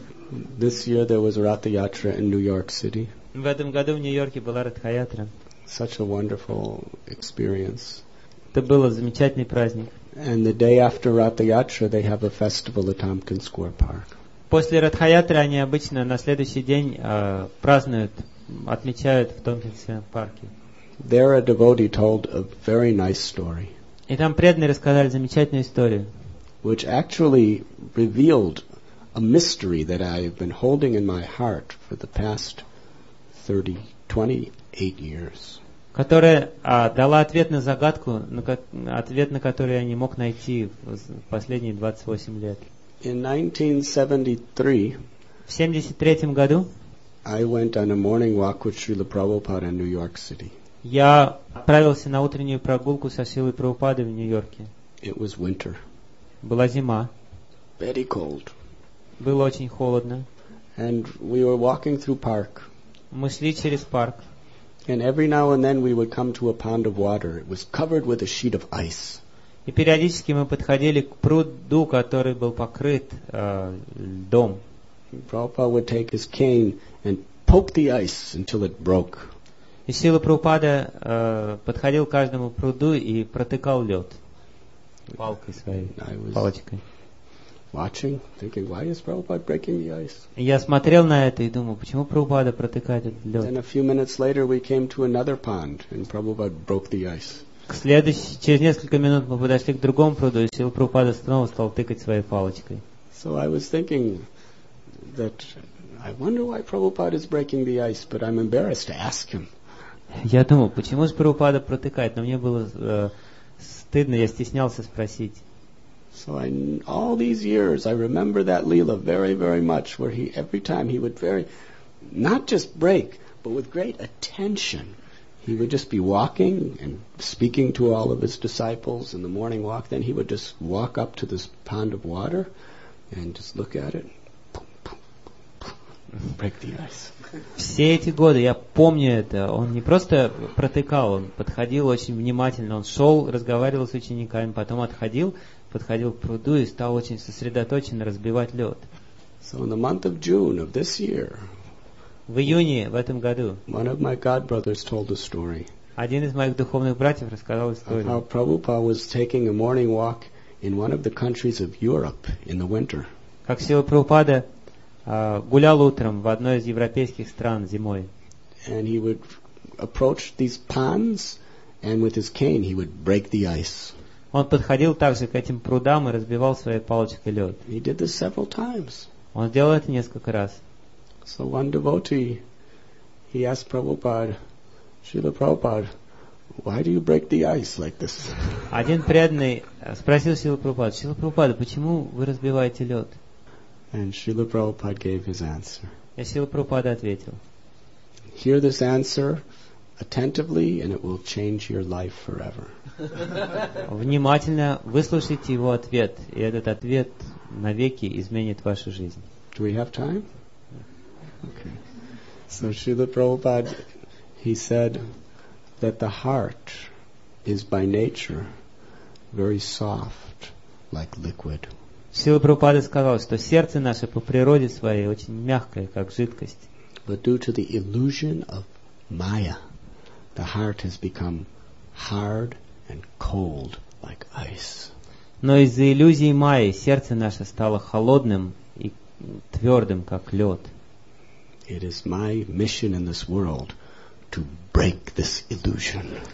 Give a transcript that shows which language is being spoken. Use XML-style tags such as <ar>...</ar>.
<en>This year there was Ratha Yatra in New York City.</en> <ru>В этом году в Нью-Йорке была Ратха Ятра.</ru> <en>Such a wonderful experience.</en> <ru>Это был замечательный праздник.</ru> <en>And the day after Ratha Yatra, they have a festival at Tompkins Square Park.</en> <ru>После Ратха Ятры они обычно на следующий день празднуют, отмечают в Tompkins Square Park.</ru> <en>There a devotee told a very nice story.</en> <ru>И там преданные рассказали замечательную историю.</ru> <en>Which actually revealed a mystery that I have been holding in my heart for the past 28 years.</en> <ru>Которая дала ответ на загадку, ответ на который я не мог найти последние 28 лет.</ru> <en>In 1973,</en> <ru>в 73-м году,</ru> <en>I went on a morning walk with Srila Prabhupada in New York City.</en> <ru>Я отправился на утреннюю прогулку со Шрилой Прабхупадой в Нью-Йорке.</ru> <en>It was winter.</en> <ru>Была зима.</ru> <en>Very cold.</en> <ru>Было очень холодно.</ru> <en>And we were walking through park.</en> <ru>Мы шли через парк.</ru> <en>And every now and then we would come to a pond of water. It was covered with a sheet of ice.</en> <ru>И периодически мы подходили к пруду, который был покрыт льдом.</ru> <en>Prabhupada would take his cane and poke the ice until it broke.</en> <ru>И Шрила Прабхупада подходил к каждому пруду и протыкал лед палкой своей, палочкой.</ru> <en>Watching, thinking, why is Prabhupada breaking the ice?</en> <ru>Я смотрел на это и думал, почему Прабхупада протыкает этот лед?</ru> <en>Then a few minutes later we came to another pond and Prabhupada broke the ice.</en> <ru>Через несколько минут мы подошли к другому пруду, и Шрила Прабхупада снова стал тыкать своей палочкой.</ru> <en>So I was thinking that I wonder why Prabhupada is breaking the ice, but I'm embarrassed to ask him.</en> <ru>Я думал, почему же Прабхупада протыкает, но мне было стыдно, я стеснялся спросить.</ru> <en>So in all these years I remember that Leela very, very much, where he every time he would very not just break, but with great attention. He would just be walking and speaking to all of his disciples in the morning walk, then he would just walk up to this pond of water and just look at it. Break the ice.</en> <ru>Все эти годы, я помню это, он не просто протыкал, он подходил очень внимательно, он шел, разговаривал с учениками, потом отходил, подходил к пруду и стал очень сосредоточенно разбивать лед.</ru> <en>So in the month of June of this year,</en> <ru>в июне в этом году,</ru> <en>one of my god brothers told a story,</en> <ru>один из моих духовных братьев рассказал историю,</ru> <en>how Prabhupada was taking a morning walk in one of the countries of Europe in the winter.</en> <ru>Как Шрила Прабхупада гулял утром в одной из европейских стран зимой.</ru> <en>And he would approach these ponds and with his cane he would break the ice.</en> <ru>Он подходил также к этим прудам и разбивал своей палочкой лед.</ru> <en>He did this several times.</en> <ru>Он сделал это несколько раз.</ru> <en>So one devotee, he asked Prabhupada, Srila Prabhupada, why do you break the ice like this?</en> <ru>Один преданный спросил Шрилу Прабхупаду, Шрила Прабхупада, почему вы разбиваете лед?</ru> <en>And Srila Prabhupada gave his answer.</en> <ru>И Шрила Прабхупада ответил.</ru> <en>Hear this answer attentively and it will change your life forever.</en> <ru>Внимательно выслушайте его ответ, и этот ответ навеки изменит вашу жизнь.</ru> <en>Do we have time? Okay. So Srila Prabhupada, he said that the heart is by nature very soft like liquid.</en> <ru>Шрила Прабхупада сказал, что сердце наше по природе своей очень мягкое, как жидкость.</ru> <en>But due to the illusion of Maya, the heart has become hard and cold like ice.</en> <ru>Но из-за иллюзии Майи сердце наше стало холодным и твердым, как лед.</ru> <en>It is my mission in this world to break this illusion.</en>